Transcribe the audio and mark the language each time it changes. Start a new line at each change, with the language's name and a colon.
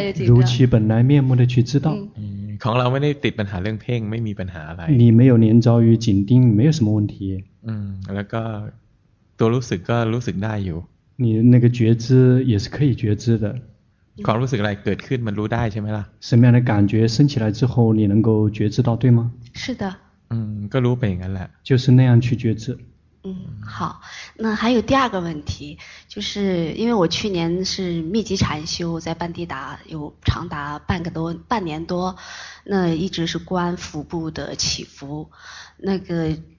Thai: รู้ชี้
Chinese: 本来面目的去知道
Thai: ของเราไม่ได้ติดปัญหาเรื่องเพ่งไม่มีปัญหาอะไร
Chinese: 你没有黏着于紧盯没有什么问题
Thai: แล้วก็ตัวรู้สึกก็รู้สึกได้อยู่
Chinese: 你那个觉知也是可以觉知的
Thai: ความรู้สึกอะไรเกิดขึ้นมันรู้ได้ใช่ไหมล่ะ
Chinese: 什么样的感觉升起来之后你能够觉知到对吗是的
Thai: ก็รู้ไปอย่างนั้นแหละ
Chinese: 就是那样去觉知好那还有第二个问题就是因为我去年是密集禅修在班地达有长达半年多那一直是观腹部的起伏那个